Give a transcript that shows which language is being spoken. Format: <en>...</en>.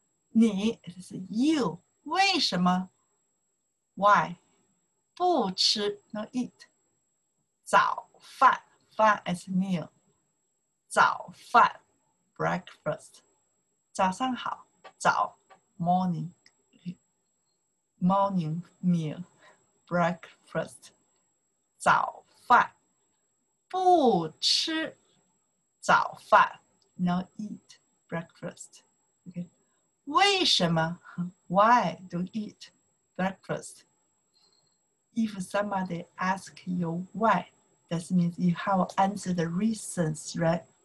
<zh>你,</zh> <en>it is you,</en> <zh>为什么?</zh> <en>Why?</en> <zh>不吃,</zh> <en>no eat.</en> <zh>早饭,</zh> <en>fan is meal.</en> <zh>早饭,</zh> <en>breakfast.</en> <zh>早上好, 早,</zh> <en>morning. Morning meal, breakfast.</en> <zh>早饭, 不吃早饭,</zh> <en>not eat breakfast. Okay.</en> <zh>为什么?</zh> <en>Why do you eat breakfast? If somebody asks you why, that means you have answered the reasons, right?</en>